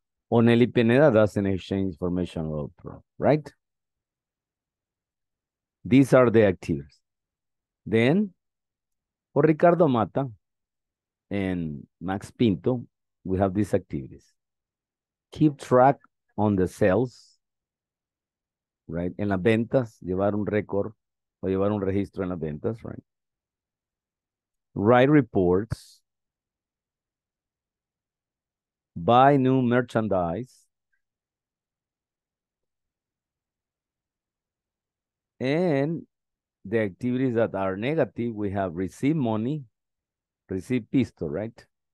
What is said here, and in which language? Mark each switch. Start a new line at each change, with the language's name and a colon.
English: Nelly Pineda doesn't exchange information about programs, right? These are the activities. Then, for Ricardo Mata and Max Pinto, we have these activities. Keep track on the sales.
Spanish: Right, en las ventas, llevar un récord o llevar un registro en las ventas, right?
English: Write reports, buy new merchandise, and the activities that are negative, we have receive money, receive pisto, right?